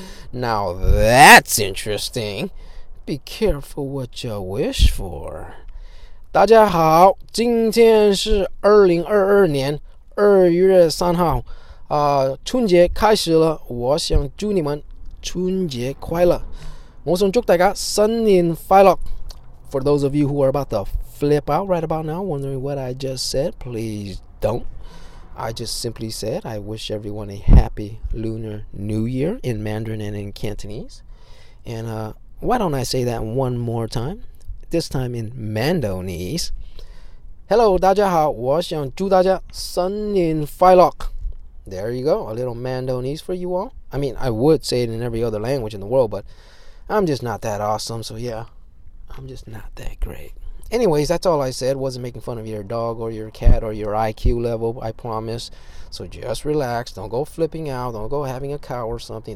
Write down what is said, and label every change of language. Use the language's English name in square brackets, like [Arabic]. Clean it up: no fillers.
[English] Now that's interesting. Be careful what you wish for. [Chinese] 大家好，今天是2022年2月3号，春节开始了，我想祝你们春节快乐。我想祝大家新年快乐。 [English] For those of you who are about to flip out right about now, wondering what I just said, please don't. I just simply said I wish everyone a happy Lunar New Year in Mandarin and in Cantonese. And why don't I say that one more time? This time in Mandonese. [Chinese] Hello, 大家好，我想祝大家新年快乐。 [English] There you go, a little Mandonese for you all. I mean, I would say it in every other language in the world, but I'm just not that awesome, so yeah, I'm just not that great. Anyways, that's all I said. Wasn't making fun of your dog or your cat or your IQ level, I promise. So just relax. Don't go flipping out. Don't go having a cow or something.